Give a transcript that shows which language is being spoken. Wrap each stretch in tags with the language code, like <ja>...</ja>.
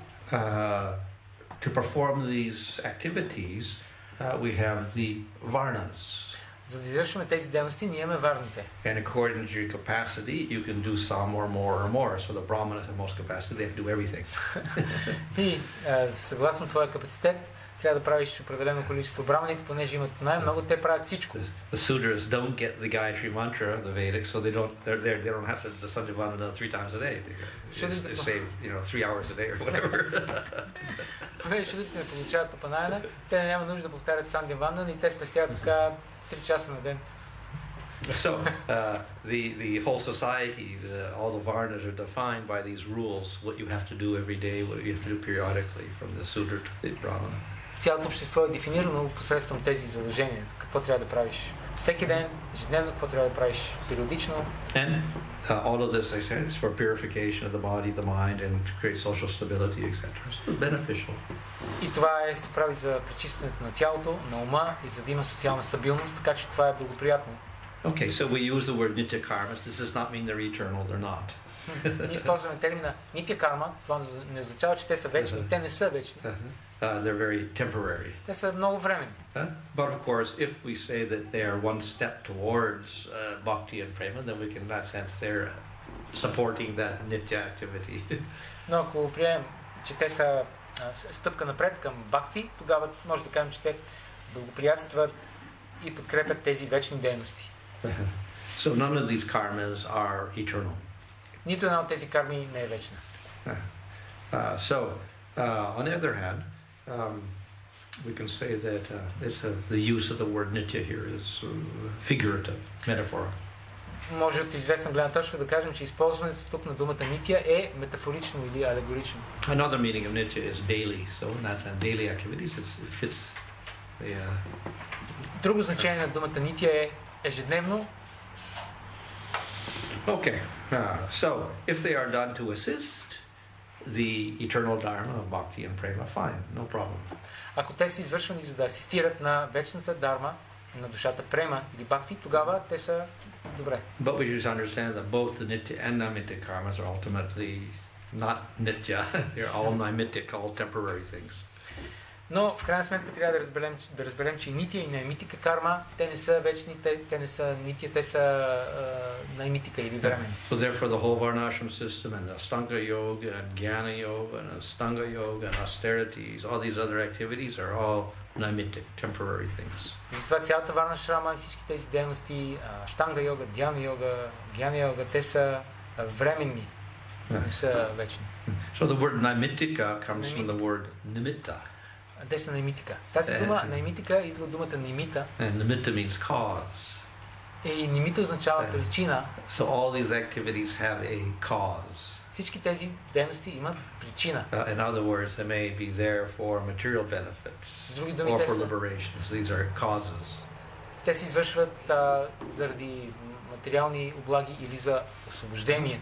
<en>To perform these activities, we have the varnas.</en> <bg>За да извършваме тези дейности, ние имаме варните.</bg> <en>And according to your capacity, you can do some or more or more. So the brahmanas have most capacity, they have to do everything.</en> <bg>И съгласно твоя капацитет, трябва да правиш определено количество брахманите, понеже имат най-много, те правят всичко.</bg> <en>The sudras don't get the Gayatri mantra, the Vedic, so they don't have to do the Sandivandana three times a day. They save, you know, 3 hours a day or whatever.</en> <bg>Понеже шудрите не получават Тапанайана, те няма нужда да повтарят Сандивандана и те спестяват така 3 часа на ден.</bg> <en>So, the whole society, all the varnas are defined by these rules, what you have to do every day, what you have to do periodically from the sudra to the brahmana.</en> <bg>Цялото общество е дефинирано посредством тези задължения. Какво трябва да правиш всеки ден, ежедневно, какво трябва да правиш периодично.</bg> <en>And all of this, I said, is for purification of the body, the mind, and to create social stability, etc. So beneficial.</en> <bg>И това се прави за пречистването на тялото, на ума и за да има социална стабилност, така че това е благоприятно.</bg> <en>Okay, so we use the word nitya karmas. This does not mean they're eternal, they're not.</en> <bg>Ние използваме термина нитя карма, това не означава, че те са вечни, те не са вечни.</bg> <en>They're very temporary.</en> <bg>Те са много временни.</bg> <en>But of course, if we say that they are one step towards bhakti and prema, then we can, in that sense, they're supporting that nitya activity.</en> <bg>Но ако приемем, че те са стъпка напред към бхакти, тогава може да кажем, че те благоприятстват и подкрепят тези вечни дейности.</bg> <en>So none of these karmas are eternal.</en> <bg>Нито една от тези карми не е вечна.</bg> <en>On the other hand, we can say that the use of the word nitya here is figurative, metaphoric.</en> <bg>Може от известна гледна точка да кажем, че използването тук на думата нитя е метафорично или алегорично.</bg> <en>Another meaning of nitya is daily, so that's in daily activities. It fits the.</en> <bg>Друго значение на думата нитя е ежедневно.</bg> <en>Okay, so if they are done to assist the eternal dharma of bhakti and prema, fine, no problem.</en> <bg>Ако те са извършвани за да асистират на вечната дарма на душата према или бхакти, тогава те са добре.</bg> <en>But we should understand that both the nitya and namitya karmas are ultimately not nitya. They're all namitya, all temporary things.</en> <bg>Но в крайна сметка трябва да разберем, че и нитя и наймитика карма, те не са вечни, те не са нитя, те са наймитика или времени.</bg> <en>So therefore the whole Varnashram system and Astanga Yoga and Jnana Yoga and Astanga Yoga and austerities, all these other activities are all naimitic, temporary things.</en> <bg>Затова цялата Варнашрама и всички тези дейности, Астанга Йога, Джнана Йога, Джнана Йога, те са временни. Не са вечни.</bg> <en>So the word naimitika comes from the word nimitta.</en> <bg>Те са наймитика. Тази дума наймитика идва от думата нимита.</bg> <en>And nimitta means cause.</en> <bg>И нимита означава причина.</bg> <en>So all these activities have a cause.</en> <bg>Всички тези дейности имат причина.</bg> <en>In other words, they may be there for material benefits or for liberation. So these are causes.</en> <bg>Те се извършват заради материални облаги или за освобождение.</bg>